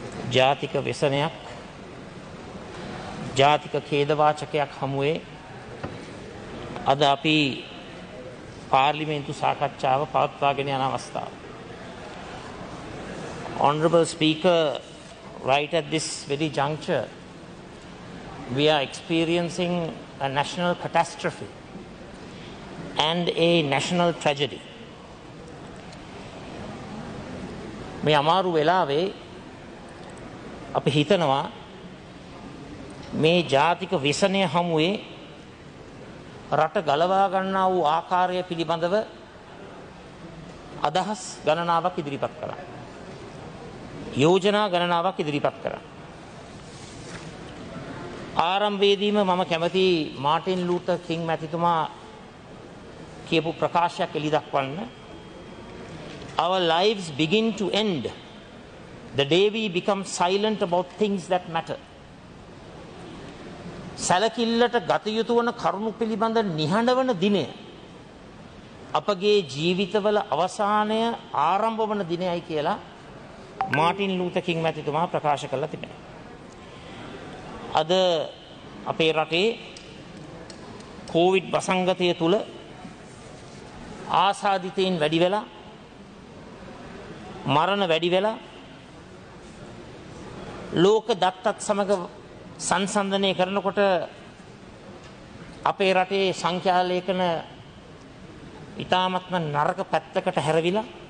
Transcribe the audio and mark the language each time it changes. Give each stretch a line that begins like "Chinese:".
Sinhala: ජාතික ව්‍යසනයක් ජාතික ඛේදවාචකයක් හමුවේ අද අපි පාර්ලිමේන්තු සාකච්ඡාව පවත්වාගෙන යන අවස්ථාව.
English: Honorable Speaker, right at this very juncture, we are experiencing a national catastrophe and a national tragedy.
Sinhala: මේ අමාරු වෙලාවේ අපි හිතනවා මේ ජාතික විසණය හමුවේ රට ගලවා ගන්නා වූ ආකාරය පිළිබඳව අදහස් ගණනාවක් ඉදිරිපත් කරා. යෝජනා ගණනාවක් ඉදිරිපත් කරා. ආරම්භයේදීම මම කැමති මාටින් ලූතර් කිං මැතිතුමා කියපු ප්‍රකාශයක් එළි දක්වන්න.
English: Our lives begin to end the day we become silent about things that matter.
Sinhala: සැලකිල්ලට ගත යුතු වන කරුණු පිළිබඳ නිහඬවන දිනය අපගේ ජීවිතවල අවසානය ආරම්භ වන දිනයයි කියලා මාටින් ලූතර් කිං මැතිතුමා ප්‍රකාශ කළා තිබෙනවා. අද අපේ රටේ කෝවිඩ් වසංගතය තුල ආසාදිතයින් වැඩි වෙලා මරණ වැඩි වෙලා ලෝක දත්තත් සමග සංසන්දනය කරනකොට අපේ රටේ සංඛ්‍යා ලේඛන ඉතාමත්ම නරක පැත්තකට හැරවිලා